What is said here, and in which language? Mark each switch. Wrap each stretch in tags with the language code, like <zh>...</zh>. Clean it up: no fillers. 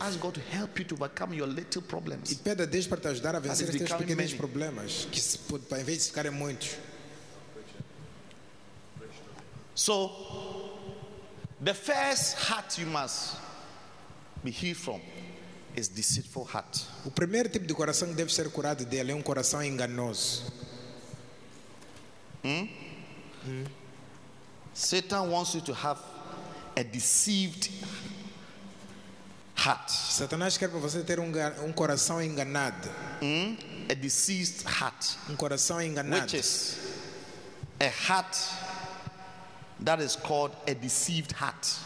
<en>Ask God to help you to overcome your little problems.</en> <pt>E pede a Deus para te ajudar a vencer os teus pequenos problemas, que se pode, em vez de ficarem muitos.</pt> <en>So, the first heart you must be healed from is deceitful heart.</en> <pt>O primeiro tipo de coração que deve ser curado dele é coração enganoso.</pt> <en>Satan wants you to have a deceived heart.</en> <pt>Satanás quer para você ter coração enganado.</pt> <en>A deceased heart.</en> <pt>Coração enganado.</pt> <en>Which is a heart that is called a deceived heart.</en>